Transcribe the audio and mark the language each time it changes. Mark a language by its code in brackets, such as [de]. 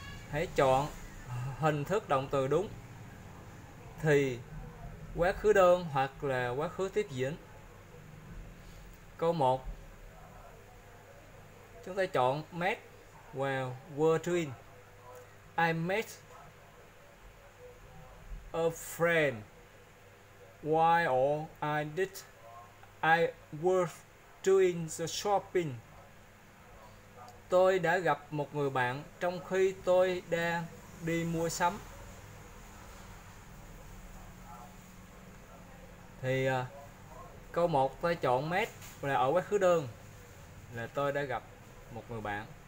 [vi] Hãy chọn hình thức động từ đúng thì quá khứ đơn hoặc là quá khứ tiếp diễn. Câu 1. Chúng ta chọn met và were twin. [en] I met a friend while I were doing the shopping. [vi] Tôi đã gặp một người bạn trong khi tôi đang đi mua sắm. Thì câu 1 tôi chọn met là ở quá khứ đơn, là tôi đã gặp một người bạn.